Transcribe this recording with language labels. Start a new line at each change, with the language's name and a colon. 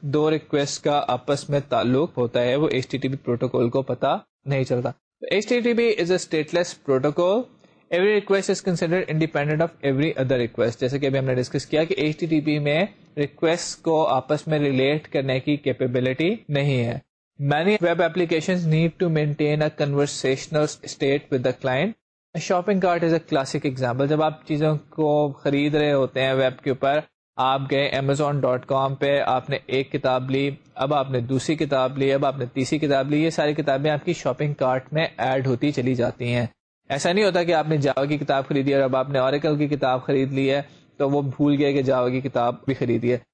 Urdu: دو request کا آپس میں تعلق ہوتا ہے وہ H T T P protocol کو پتا نہیں چلتا.
English: H T T P is a stateless protocol. Every request is considered independent of every other request.
Urdu: جیسے کہ ابھی ہم نے ڈسکس کیا کہ ایچ ٹی ٹی پی میں ریکویسٹ کو آپس میں ریلیٹ کرنے کی کیپیبلٹی نہیں ہے.
English: Many web applications need to maintain a conversational state with the client. A shopping cart is a classic example.
Urdu: جب آپ چیزوں کو خرید رہے ہوتے ہیں ویب کے اوپر, آپ گئے amazon.com پہ, آپ نے ایک کتاب لی, اب آپ نے دوسری کتاب لی, اب آپ نے تیسری کتاب لی, یہ ساری کتابیں آپ کی شاپنگ کارٹ میں ایڈ ہوتی چلی جاتی ہیں. ایسا نہیں ہوتا کہ آپ نے جاوا کی کتاب خریدی اور اب آپ نے اوریکل کی کتاب خرید لی ہے تو وہ بھول گئے کہ جاوا کی کتاب بھی خریدی ہے.